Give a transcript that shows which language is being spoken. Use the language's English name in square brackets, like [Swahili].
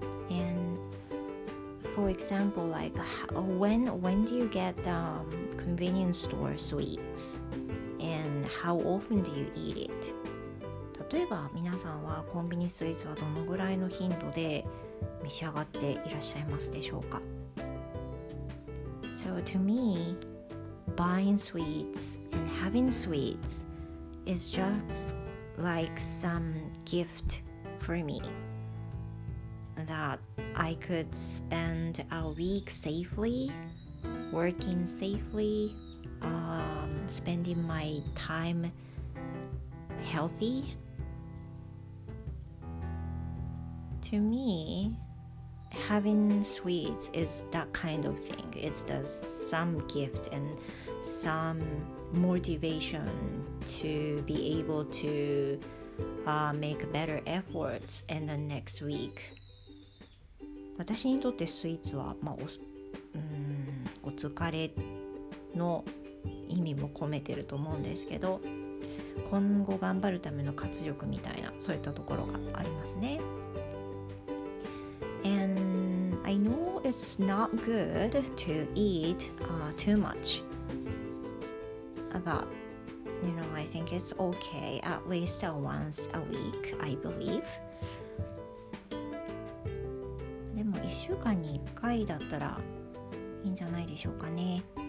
[English] And for example, like when do you get the convenience store sweets, and how often do you eat it? [Japanese] 例えば皆さんはコンビニスイーツはどのぐらいの頻度で召し上がっていらっしゃいますでしょうか? [English] So to me, buying sweets and having sweets is just like some gift for me that I could spend a week safely, working safely, spending my time healthy. To me, having sweets is that kind of thing. It's the some gift and some motivation to be able to make better efforts in the next week. [Japanese] 私にとってスイーツは、まあ、お疲れの意味も込めてると思うんですけど、今後頑張るための活力みたいな、そういったところがありますね。 [English] And I know it's not good to eat too much, but you know, I think it's okay at least once a week, I believe. [Japanese] でも1週間に1回だったらいいんじゃないでしょうかね。